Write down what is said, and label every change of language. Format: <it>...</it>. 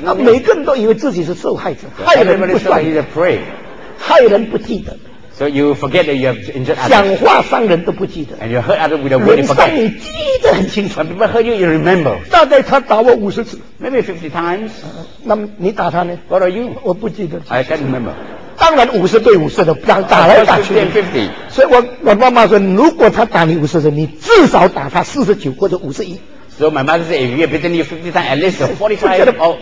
<zh>那每个人都以为自己是受害者，害人不算。</zh> <en>He's a prey.</en> <zh>害人不记得。</zh> <en>So you forget that you have injured others.</en> <zh>讲话伤人都不记得。</zh> <en>And you hurt others with a word you forget.</en> <zh>人伤你记得很清楚。</zh> <en>When people hurt you, you remember.</en> <zh>大概他打我五十次。</zh> <en>Maybe 50 times.</en> <zh>那你打他呢？</zh> <en>What are you?</en> <zh>我不记得。</zh> <en>I can't remember.</en> <zh>当然五十对五十的，打来打去。所以我妈妈说，如果他打你五十次，你至少打他四十九或者五十一。</zh> <en>So my mother said, if you have beaten you 50 times, at least 45 or</en>